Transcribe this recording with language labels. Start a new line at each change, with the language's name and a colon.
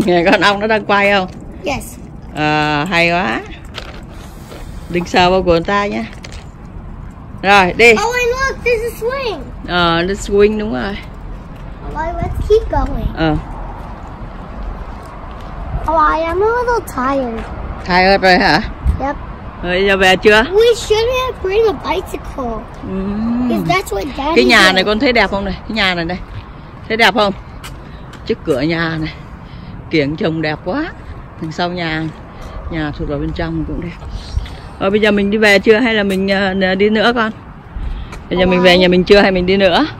Vietnamese: Con ong nó đang quay không?
English: Yes.
Vietnamese: À, hay quá. Đừng sờ vào của người ta nha. Rồi, đi.
English: Oh, wait, look, this is swing.
Vietnamese: Ờ,
English: this swing
Vietnamese: đúng rồi.
English: Let's keep going.
Vietnamese: Ờ.
English: Oh, I am a little tired.
Vietnamese: Tired rồi hả?
English: Yep.
Vietnamese: Rồi, giờ về chưa?
English: We should have bring a bicycle. Mm. That's what Daddy
Vietnamese: cái nhà
English: did.
Vietnamese: Này con thấy đẹp không này? Cái nhà này này. Thấy đẹp không? Trước cửa nhà này. Kiểng trồng đẹp quá. Đằng sau nhà. Nhà thuộc vào bên trong cũng đẹp. Rồi bây giờ mình đi về chưa hay là mình đi nữa con? Bây giờ mình về nhà mình chưa hay mình đi nữa?